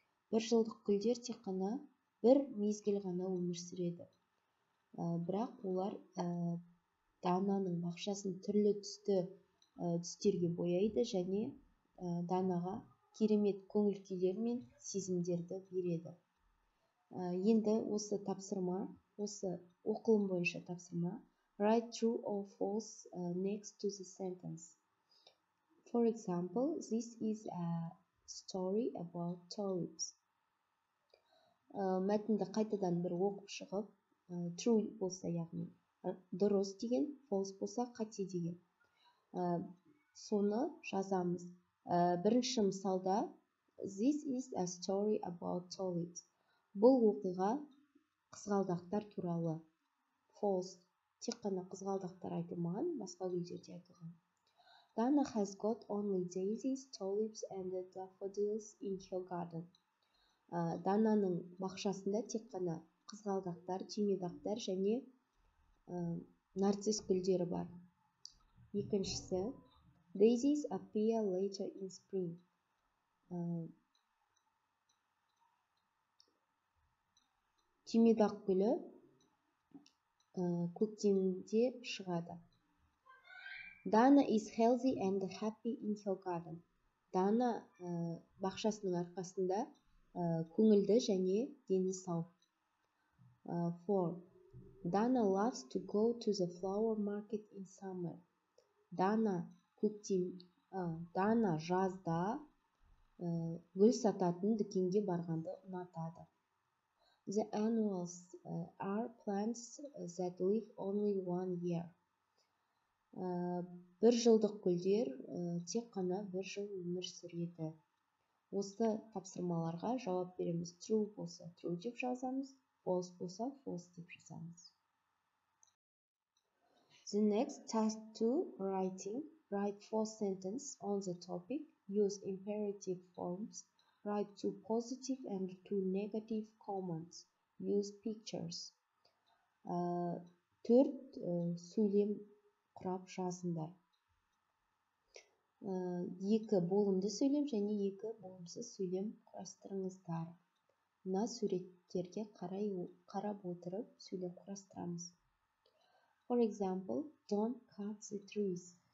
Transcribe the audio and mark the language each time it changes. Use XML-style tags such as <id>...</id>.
<kk>Бір жылдық гүлдер тек қана бір мезгіл ғана өмір сүреді. Бірақ олар Дананың бақшасын түрлі түсті түстерге бояйды және Данаға керемет көңіл-күйлер мен сезімдерді береді. Енді осы тапсырма, осы оқылым бойынша тапсырма,</kk> <en>write true or false next to the sentence. For example, this is a story about tulips.</en> <kk>Мәтінді қайтадан бір оқып шығып, true болса, яғни дұрыс деген, false болса қате деген. Соны жазамыз. Бірінші мысалда,</kk> <en>this is a story about tulips.</en> <kk>Бұл оқиға қызғалдақтар туралы.</kk> <en>False.</en> <kk>Тек қана қызғалдақтар айтылмаған, басқа гүлдерде айтылған.</kk> <en>Dana has got only daisies, tulips and daffodils in her garden.</en> <kk>Дананың бақшасында тек қана қызғалдақтар, түймедақтар және нарцисс гүлдері бар. Екіншісі,</kk> <en>daisies appear later in spring.</en> <kk>Түймедақ гүлі көктемде шығады.</kk> <en>Dana is healthy and happy in her garden.</en> <kk>Dana бақшасының арқасында көңілді және дені сау.</kk> <en>For Dana loves to go to the flower market in summer.</en> <kk>Дана жазда гүл сататын дүкенге барғанды ұнатады.</kk> <en>The annuals are plants that live only one year.</en> <kk>Бір жылдық гүлдер тек қана бір жыл өмір сүреді. Осы тапсырмаларға жауап береміз. True болса true деп жазамыз, false болса false деп жазамыз.</kk> <en>The next task 2, writing. Write 4 sentences on the topic. Use imperative forms. Write 2 positive and 2 negative comments. Use pictures.</en> <kk>Төрт сөйлем құрап жазындар. Екі болымды сөйлем және екі болымсыз сөйлем құрастырыңыздар. Мына суреттерге қарап отырып сөйлем құрастырамыз.</kk> <en>For example, don't cut the trees.</en>